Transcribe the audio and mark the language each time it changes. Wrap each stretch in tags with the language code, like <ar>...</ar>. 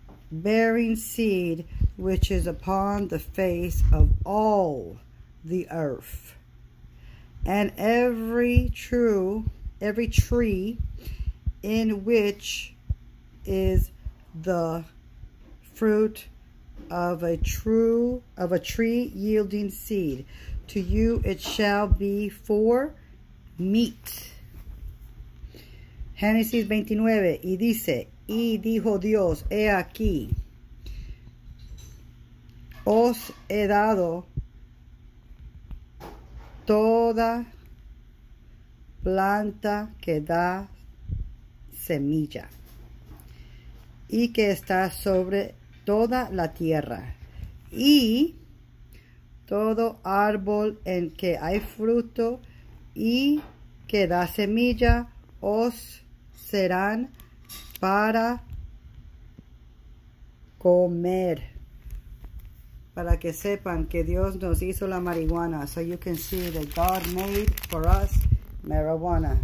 <en>bearing seed which is upon the face of all the earth, and every tree in which is the fruit of a tree yielding seed, to you it shall be for meat.</en> <es>Génesis 29, y dice, y dijo Dios, he aquí, os he dado toda planta que da semilla y que está sobre toda la tierra, y todo árbol en que hay fruto y que da semilla os serán para comer. Para que sepan que Dios nos hizo la marihuana.</es> <en>So you can see that God made for us marijuana.</en>